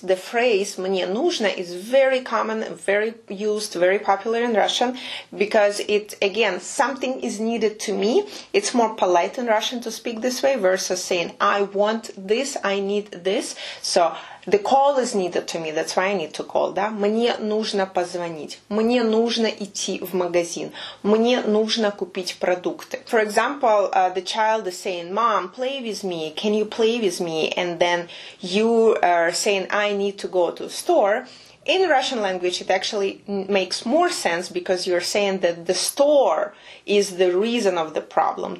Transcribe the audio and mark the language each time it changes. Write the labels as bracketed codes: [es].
[en] The phrase [ru] мне нужно [en] is very common, very used, very popular in Russian because it, again, something is needed to me. It's more polite in Russian to speak this way versus saying I want this, I need this. So, the call is needed to me. That's why I need to call. Да? [ru] Мне нужно позвонить. Мне нужно идти в магазин. Мне нужно купить продукты. [en] For example, the child is saying, Mom, play with me. Can you play with me? And then you are saying, I need to go to the store. In Russian language, it actually makes more sense because you're saying that the store is the reason of the problem.